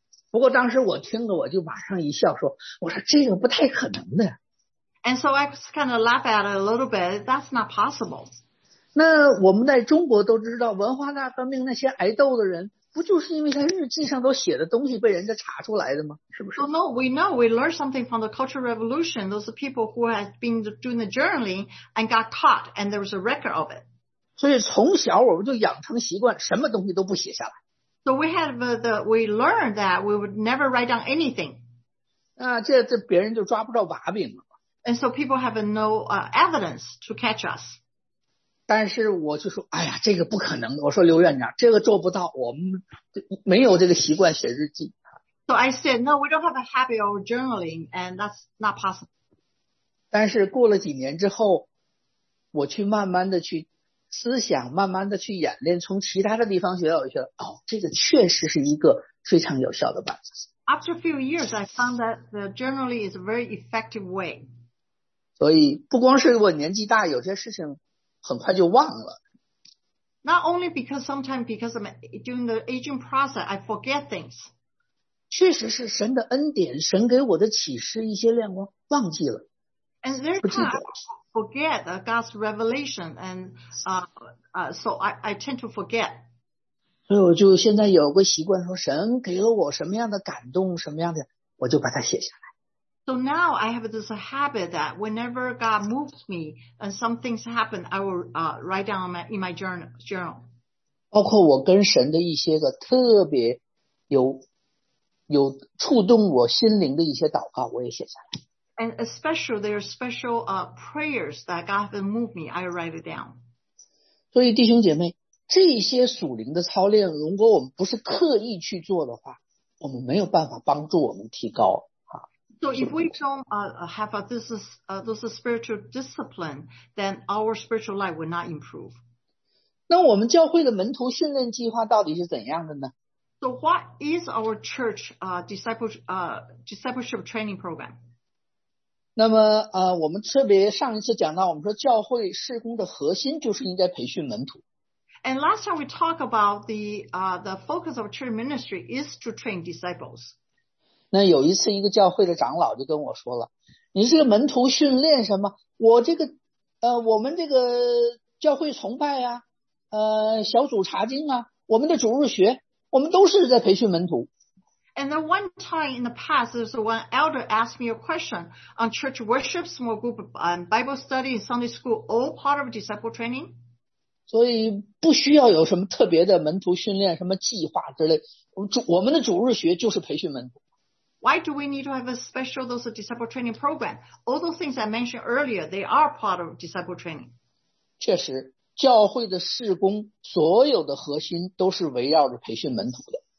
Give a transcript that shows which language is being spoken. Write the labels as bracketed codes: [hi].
[zh] 不过当时我听了，我就马上一笑说，我说这个不太可能的。 [en] And so I kind of laugh at it a little bit. That's not possible. [zh] 那我们在中国都知道，文化大革命那些挨斗的人，不就是因为他日记上都写的东西被人家查出来的吗？是不是？ [en] Oh, no, we know. We learned something from the Cultural Revolution. Those people who had been doing the journaling and got caught, and there was a record of it. [zh] 所以从小我们就养成习惯，什么东西都不写下来。 [en] So we learned that we would never write down anything. [zh] 啊，这别人就抓不着把柄了。 [en] And so people have no evidence to catch us. [zh] 但是我就说，哎呀，这个不可能的。我说刘院长，这个做不到，我们没有这个习惯写日记。 [en] So I said, no, we don't have a habit of journaling, and that's not possible. [zh] 但是过了几年之后，我去慢慢的去思想，慢慢的去演练，从其他的地方学到一些，哦，这个确实是一个非常有效的办法。 [en] After a few years, I found that the journaling is a very effective way. [zh] 所以不光是我年纪大，有些事情很快就忘了。 [en] Not only because I'm doing the aging process, I forget things. [zh] 确实是神的恩典，神给我的启示一些亮光，忘记了。 [en] And very often forget God's revelation, and so I tend to forget. [zh] 所以我就现在有个习惯，说神给了我什么样的感动，什么样的，我就把它写下来。 [en] So now I have this habit that whenever God moves me and some things happen, I will write down in my journal. [zh] 包括我跟神的一些个特别有触动我心灵的一些祷告，我也写下来。 [en] And especially there are special prayers that God has moved me, I write it down. [zh] 所以弟兄姐妹，这些属灵的操练，如果我们不是刻意去做的话，我们没有办法帮助我们提高。 [en] So if we don't have this spiritual discipline, then our spiritual life will not improve. [zh] 那我们教会的门徒训练计划到底是怎样的呢？ [en] So what is our church discipleship training program? [zh] 那么我们特别上一次讲到，我们说教会事工的核心就是应该培训门徒。 [en] And last time we talked about the focus of church ministry is to train disciples. [zh] 那有一次一个教会的长老就跟我说了，你这个门徒训练什么，我这个我们这个教会崇拜啊，小组查经啊，我们的主日学，我们都是在培训门徒。 [en] And then one time in the past, there's one elder asked me a question on church worship, small group, Bible study, Sunday school, all part of disciple training. [zh] 所以不需要有什么特别的门徒训练，什么计划之类。我们的主日学就是培训门徒。 [en] Why do we need to have a special those disciple training program? All those things I mentioned earlier, they are part of disciple training. [zh] 确实，教会的事工所有的核心都是围绕着培训门徒的。